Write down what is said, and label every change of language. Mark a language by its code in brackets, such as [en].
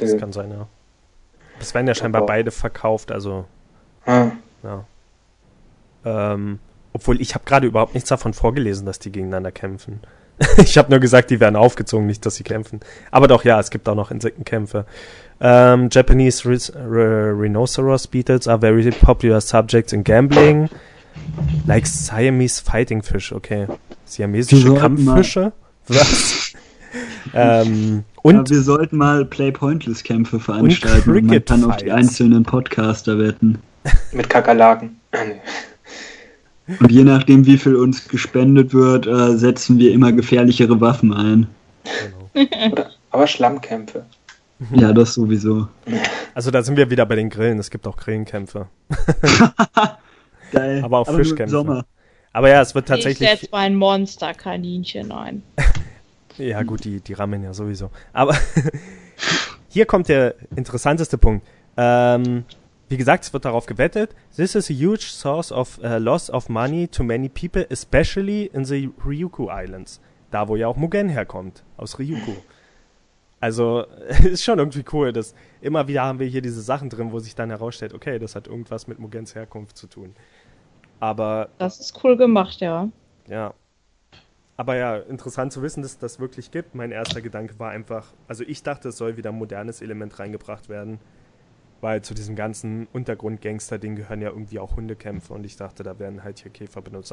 [de] Das kann sein, ja. Es werden ja scheinbar beide verkauft, also. Ja. Obwohl, ich habe gerade überhaupt nichts davon vorgelesen, dass die gegeneinander kämpfen. Ich habe nur gesagt, die werden aufgezogen, nicht, dass sie kämpfen. Aber doch, ja, es gibt auch noch Insektenkämpfe. [en] Japanese Rhinoceros Beetles are very popular subjects in gambling. Like Siamese Fighting Fish, okay. [de] Siamesische Kampffische? Was? Und wir sollten mal Play-Pointless-Kämpfe veranstalten und man kann auf die einzelnen Podcaster wetten. Mit Kakerlaken. Und je nachdem, wie viel uns gespendet wird, setzen wir immer gefährlichere Waffen ein. Genau. Aber Schlammkämpfe. Ja, das sowieso. Also da sind wir wieder bei den Grillen. Es gibt auch Grillenkämpfe. Geil. Aber auch Fischkämpfe. Im Sommer. Aber ja, es wird tatsächlich... Ich setze mein Monster-Kaninchen ein. Ja gut, die Ramen ja sowieso. Aber hier kommt der interessanteste Punkt. Wie gesagt, es wird darauf gewettet. [en] This is a huge source of loss of money to many people, especially in the Ryukyu Islands. [de] Da, wo ja auch Mugen herkommt, aus Ryukyu. Also, ist schon irgendwie cool, dass immer wieder haben wir hier diese Sachen drin, wo sich dann herausstellt, okay, das hat irgendwas mit Mugens Herkunft zu tun. Aber... Das ist cool gemacht, ja. Ja. Aber ja, interessant zu wissen, dass es das wirklich gibt. Mein erster Gedanke war einfach, also ich dachte, es soll wieder ein modernes Element reingebracht werden, weil zu diesem ganzen Untergrund-Gangster-Ding gehören ja irgendwie auch Hundekämpfe und ich dachte, da werden halt hier Käfer benutzt.